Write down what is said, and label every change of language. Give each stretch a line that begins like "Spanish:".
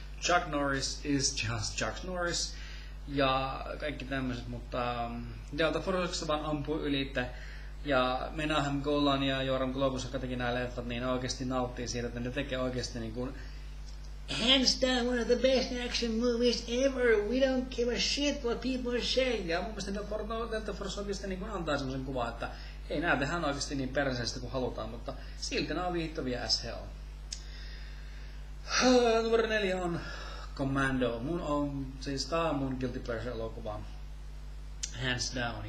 English: Chuck Norris is just Chuck Norris.
Finnish: Ja kaikki tämmöiset, mutta Delta Forcesta vaan ampuu yli. Ja Menahem Golan ja Joram Globus, joka teki nää leffat, niin oikeesti nauttii siitä, että ne tekee oikeesti niinku
English: hands down one of the best action movies ever. We don't give a shit what people say.
Finnish: Ja mun mielestä Delta Force oikeesti niinku antaa semmosen kuvan, että ei nää tehdään oikeesti niin perseistä kuin halutaan, mutta silti nää on viihdyttäviä
English: as hell.
Finnish: Numero 4 on Commando. Mun on, siis tää on mun guilty pleasure elokuva.
English: Hands down.